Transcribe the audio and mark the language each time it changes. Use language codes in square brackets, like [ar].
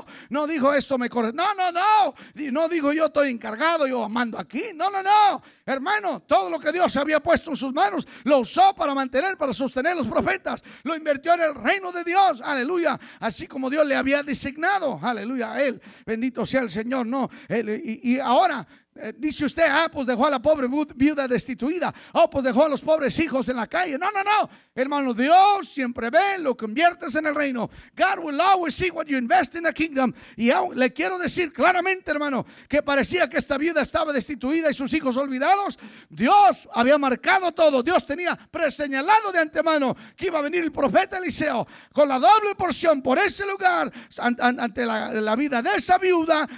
[es] No dijo esto me corre, no dijo yo estoy encargado, yo mando aquí, no, hermano, todo lo que Dios había puesto en sus manos, lo usó para mantener, para sostener los profetas, lo invirtió en el reino de Dios, aleluya, así como Dios le había designado, aleluya, a él, bendito sea el Señor, no, él, y ahora, Dice usted, ah, pues dejó a la pobre viuda destituida. Oh, pues dejó a los pobres hijos en la calle. No, no, no. Hermano, Dios siempre ve lo que inviertes en el reino. [en] God will always see what you invest in the kingdom. [es] Y aún le quiero decir claramente, hermano, que parecía que esta viuda estaba destituida y sus hijos olvidados. Dios había marcado todo. Dios tenía preseñalado de antemano que iba a venir el profeta Eliseo con la doble porción por ese lugar ante la vida de esa viuda.